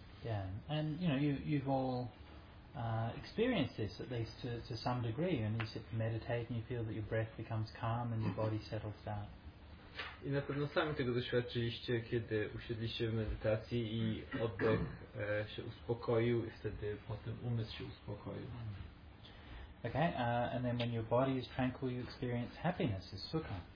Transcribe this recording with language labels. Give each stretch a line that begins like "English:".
English: Yeah, and you know, you've all experienced this at least to some degree, and you sit to meditate and you feel that your breath becomes calm and your body settles down.
Polish: I na pewno sami tego doświadczyliście, kiedy usiedliście w medytacji i oddech się uspokoił i wtedy potem umysł się uspokoił.
English: Okay, and then when your body is tranquil, you experience happiness, is sukha.